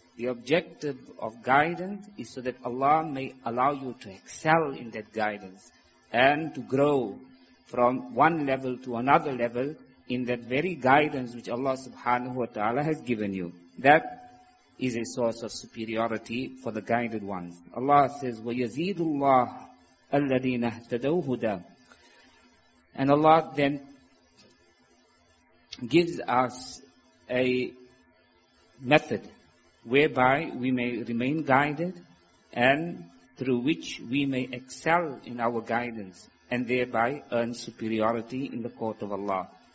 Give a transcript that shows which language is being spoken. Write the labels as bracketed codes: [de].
[en] The objective of guidance is so that Allah may allow you to excel in that guidance and to grow from one level to another level in that very guidance which Allah subhanahu wa ta'ala has given you. That is a source of superiority for the guided ones. Allah says, [ar] وَيَزِيدُ اللَّهُ الَّذِينَ اهْتَدَوْ هُدَىٰ. [en] And Allah then gives us a method whereby we may remain guided and through which we may excel in our guidance and thereby earn superiority in the court of Allah.